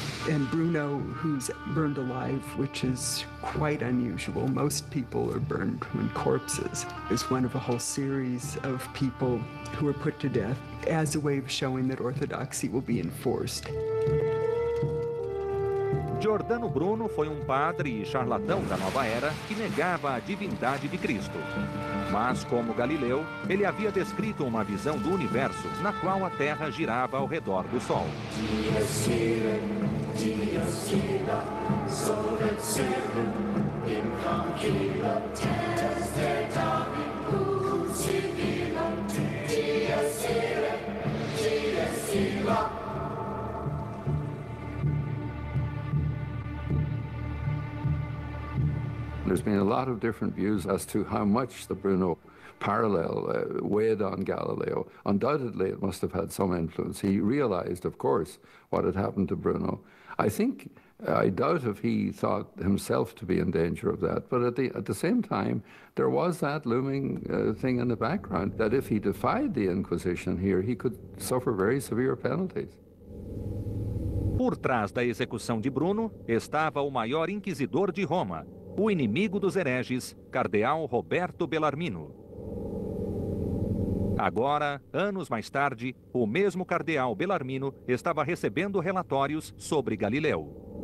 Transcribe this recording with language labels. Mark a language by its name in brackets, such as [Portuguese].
[English] And Bruno, who's burned alive, which is quite unusual, most people are burned when corpses, is one of a whole series of people who are put to death as a way of showing that orthodoxy will be enforced. [Portuguese] Giordano Bruno foi padre e charlatão da nova era que negava a divindade de Cristo. Mas, como Galileu, ele havia descrito uma visão do universo na qual a Terra girava ao redor do Sol. [English] There's been a lot of different views as to how much the Bruno parallel weighed on Galileo. Undoubtedly, it must have had some influence. He realized, of course, what had happened to Bruno. I doubt if he thought himself to be in danger of that. But at the same time, there was that looming thing in the background that if he defied the Inquisition here, he could suffer very severe penalties. [Portuguese] Por trás da execução de Bruno estava o maior inquisidor de Roma, o inimigo dos hereges, cardeal Roberto Bellarmino. Agora, anos mais tarde, o mesmo cardeal Bellarmino estava recebendo relatórios sobre Galileu.